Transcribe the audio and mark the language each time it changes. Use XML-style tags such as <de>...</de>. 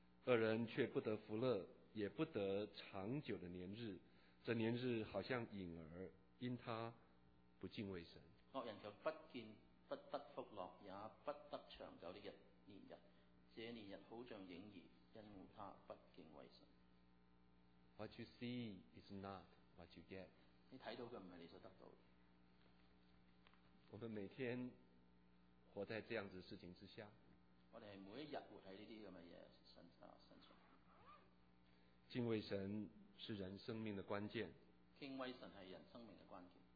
<zh>恶人却不得福乐，也不得长久的年日，这年日好像影儿，因他不敬畏神。恶人就不见不得福乐，也不得长久的年日，这年日好像影儿，因他不敬畏神。</zh> <en>What you see is not what you get，</en> <zh>你看到的不是你所得到的。我们每天活在这样子的事情之下，我们每一天活在这些这样的事情身上。敬畏神是人生命的关键，敬畏神是人生命的关键，</zh>